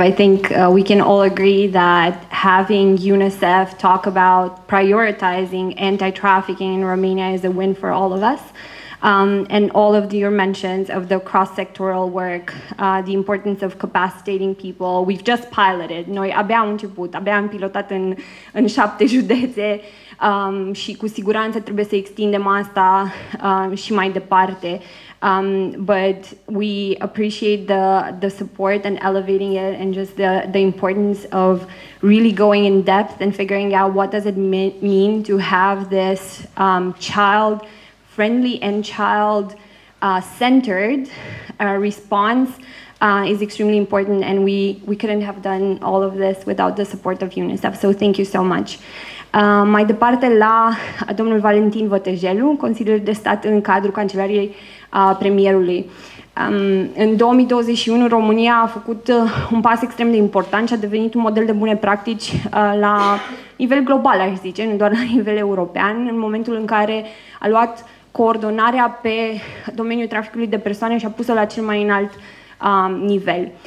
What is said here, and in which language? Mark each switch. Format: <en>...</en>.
<en>I think we can all agree that having UNICEF talk about prioritizing anti-trafficking in Romania is a win for all of us. And all of your mentions of the cross-sectoral work, the importance of capacitating people. We've just piloted.</en> <ro>Noi abia am început, abia am pilotat în 7 județe și cu siguranță trebuie să extindem asta și mai departe.</ro> <en>But we appreciate the support and elevating it, and just the importance of really going in depth and figuring out what does it mean to have this child friendly and child-centered response is extremely important, and we couldn't have done all of this without the support of UNICEF, so thank you so much.</en> <ro>Mai departe la domnul Valentin Vătejelu, consilier de stat în cadrul Cancelariei Premierului. În 2021, România a făcut un pas extrem de important și a devenit un model de bune practici la nivel global, aș zice, nu doar la nivel european, în momentul în care a luat coordonarea pe domeniul traficului de persoane și a pus-o la cel mai înalt nivel.</ro>